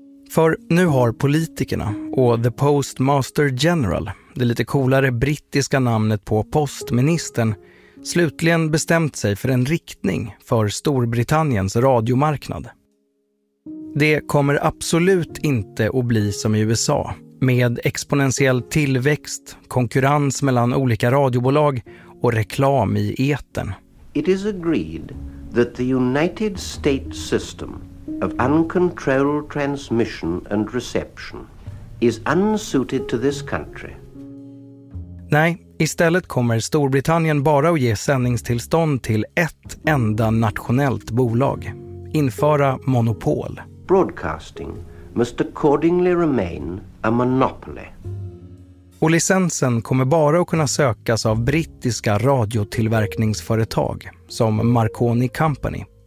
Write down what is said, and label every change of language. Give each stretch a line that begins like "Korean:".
Swedish: För nu har politikerna och The Postmaster General, det lite coolare brittiska namnet på postministern, slutligen bestämt sig för en riktning för Storbritanniens radiomarknad. Det kommer absolut inte att bli som i USA, med exponentiell tillväxt, konkurrens mellan olika radiobolag och reklam i etern.
English: It is agreed that the United States system of uncontrolled transmission and reception is unsuited to this country.
Swedish: Nej, istället kommer Storbritannien bara att ge sändningstillstånd till ett enda nationellt bolag. Införa monopol.
English: Broadcasting must accordingly remain a monopoly.
Swedish: Och licensen kommer bara att kunna sökas av brittiska radiotillverkningsföretag som Marconi Company.